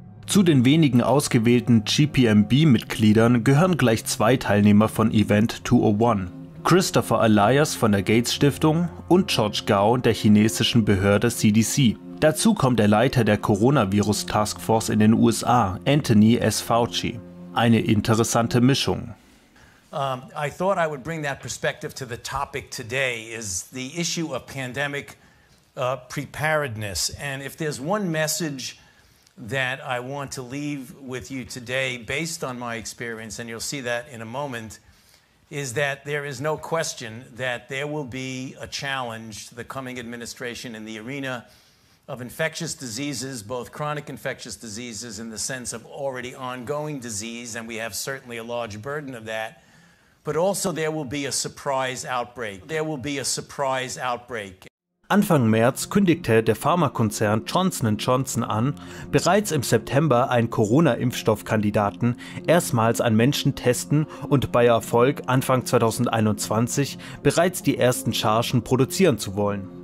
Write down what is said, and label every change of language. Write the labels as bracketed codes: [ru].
[de] Zu den wenigen ausgewählten GPMB-Mitgliedern gehören gleich zwei Teilnehmer von Event 201, Christopher Elias von der Gates-Stiftung und George Gao der chinesischen Behörde CDC. Dazu kommt der Leiter der Coronavirus-Taskforce in den USA, Anthony S. Fauci. Eine interessante Mischung. [en] I thought I would bring that perspective to the topic today is the issue of pandemic preparedness. And if there's one message that I want to leave with you today based on my experience, and you'll see that in a moment, is that there is no question that there will be a challenge to the coming administration in the arena of infectious diseases, both chronic infectious diseases in the sense of already ongoing disease, and we have certainly a large burden of that, but also there will be a surprise outbreak. There will be a surprise outbreak. [de] Anfang März kündigte der Pharmakonzern Johnson & Johnson an, bereits im September einen Corona-Impfstoffkandidaten erstmals an Menschen testen und bei Erfolg Anfang 2021 bereits die ersten Chargen produzieren zu wollen.